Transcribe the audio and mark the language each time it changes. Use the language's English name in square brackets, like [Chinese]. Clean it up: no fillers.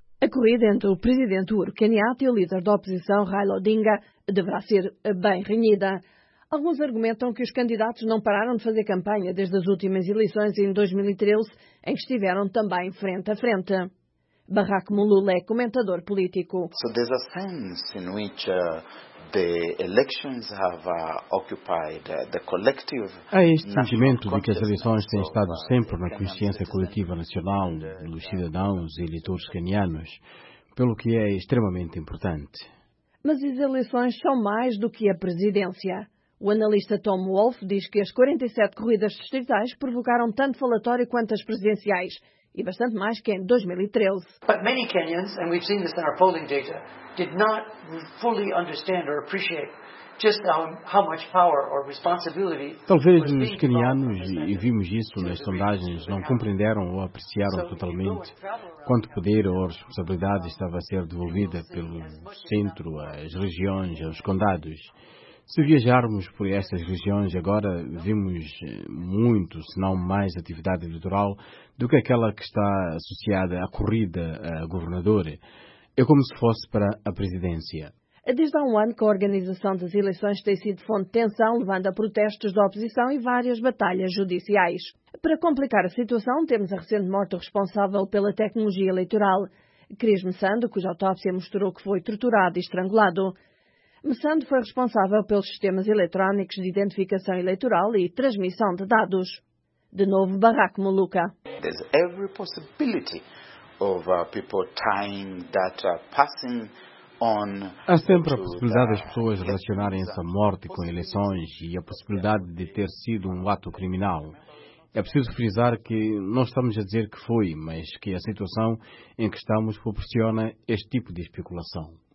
[Portuguese] A corrida entre o presidente Uhuru Kenyatta e o líder da oposição, Raila Odinga, deverá ser bem renhida. Alguns argumentam que os candidatos não pararam de fazer campanha desde as últimas eleições em 2013, em que estiveram também frente a frente. Barack Mulula é comentador político. [English] So there's a sense in which the elections have occupied the collective. [Portuguese] Há este sentimento de que as eleições têm estado sempre na consciência coletiva nacional dos cidadãos e eleitores kenianos, pelo que é extremamente importante. Mas as eleições são mais do que a presidência. O analista Tom Wolfe diz que as 47 corridas distritais provocaram tanto falatório quanto as presidenciais, e bastante mais que em 2013. [English] But many Kenyans, and we've seen this in our polling data, did not fully understand or appreciate just how much power or responsibility. [Portuguese] Talvez os kenianos, e vimos isso nas sondagens, não compreenderam ou apreciaram totalmente quanto poder ou responsabilidade estava a ser devolvida pelo centro às regiões, aos condados. Se viajarmos por estas regiões agora, vimos muito, se não mais, atividade eleitoral do que aquela que está associada à corrida a governador. É como se fosse para a presidência. Desde há um ano que a organização das eleições tem sido fonte de tensão, levando a protestos da oposição e várias batalhas judiciais. Para complicar a situação, temos a recente morte do responsável pela tecnologia eleitoral, Cris Messando, cuja autópsia mostrou que foi torturado e estrangulado. Messando foi responsável pelos sistemas eletrónicos de identificação eleitoral e transmissão de dados. De novo, Barack Muluka. [English] There's every possibility of people tying data passing. [Portuguese] Há sempre a possibilidade das pessoas relacionarem essa morte com eleições e a possibilidade de ter sido um ato criminal. É preciso frisar que não estamos a dizer que foi, mas que a situação em que estamos proporciona este tipo de especulação.